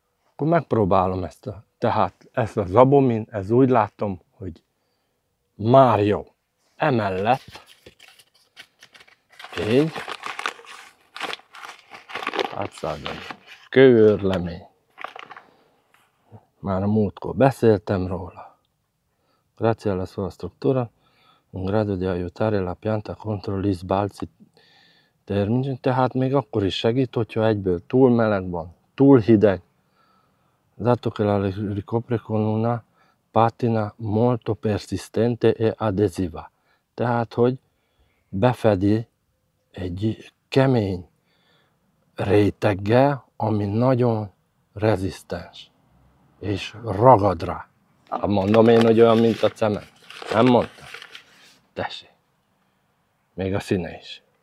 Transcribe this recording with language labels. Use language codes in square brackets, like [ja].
[hu] Akkor megpróbálom ezt a... Tehát ezt a zabomin, ez úgy látom, hogy már jó. Emellett én átszállom kőőrlemény. Már a múltkor beszéltem róla. [it] Grazie alla sua struttura, un grado di aiutare la pianta contro gli sbalzi termici. [hu] Tehát még akkor is segít, hogyha egyből túl meleg van, túl hideg. [it] Dato che la ricopre con una patina molto persistente e adesiva. [hu] Tehát, hogy befedi egy kemény réteggel, ami nagyon rezisztens és ragad rá. Mondom én, hogy olyan, mint a cement. Nem mondtam. Tessék. Még a színe is.